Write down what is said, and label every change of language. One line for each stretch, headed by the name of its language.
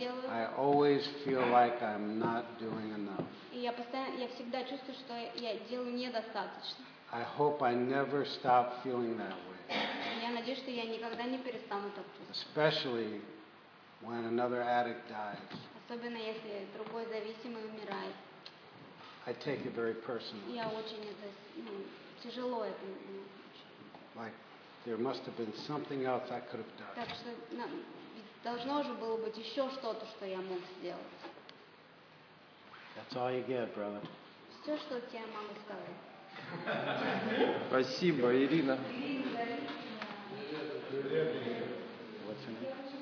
English: I always feel like I'm not doing enough.
Russian: Я всегда чувствую, что я делаю недостаточно.
English: I hope I never stop feeling that way.
Russian: Я надеюсь, что я никогда не перестану так чувствовать.
English: Especially when another addict dies.
Russian: Особенно если другой зависимый умирает.
English: I take it very personally.
Russian: Я очень это, тяжело это.
English: Like there must have been something else I could have done.
Russian: Так что должно же было быть еще что-то, что я мог сделать.
English: That's all you get, brother.
Russian: Все, что тебе могу сказать. Спасибо, Ирина.
English: What's your name?